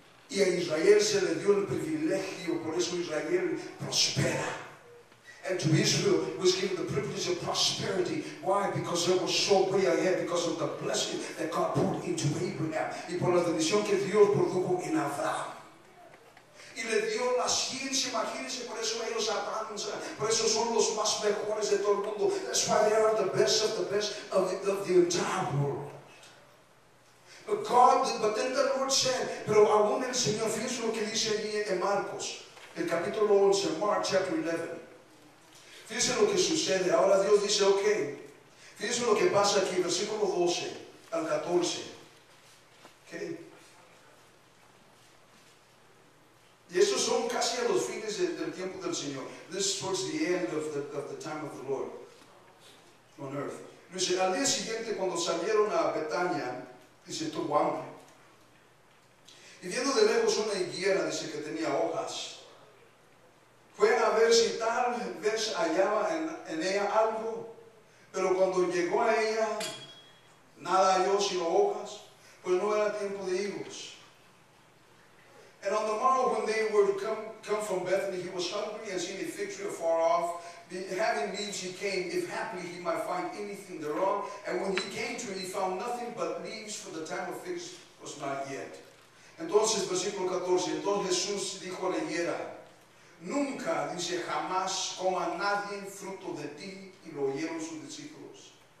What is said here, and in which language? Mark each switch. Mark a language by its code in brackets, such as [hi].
[es] Y a Israel se le dio el privilegio, por eso Israel prospera. [en] And to Israel was given the privilege of prosperity. Why? Because there was so way ahead, because of the blessing that God poured into Abraham. [es] Y por la bendición que Dios produjo en Abraham. Y le dio la ciencia, imagínense, por eso ellos avanzan, por eso son los más mejores de todo el mundo. [en] That's why they are the best of the best of the entire world. But God, but then the Lord said, [es] pero aún el Señor, fíjense lo que dice allí en Marcos, el capítulo 11, [en] Mark chapter 11. [es] Fíjense lo que sucede. Ahora Dios dice, ok. Fíjense lo que pasa aquí, versículo 12 al 14. Okay. Y estos son casi a los fines del tiempo del Señor. [en] This is towards the end of the time of the Lord on earth. [es] Dice, al día siguiente cuando salieron a Betania, dice, tuvo hambre. Y viendo de lejos una higuera, dice, que tenía hojas, fue a ver si tal vez hallaba en ella algo. Pero cuando llegó a ella, nada halló sino hojas, pues no era tiempo de higos. [en] And on the morrow when they were come from Bethany, he was hungry and seeing a fig tree afar off. Having leaves, he came, if haply he might find anything thereon. And when he came to it, he found nothing but leaves, for the time of figs was not yet. [es] Entonces, versículo 14, entonces Jesús dijo a la higuera, nunca, dice, jamás coma nadie fruto de ti, y lo oyeron sus discípulos.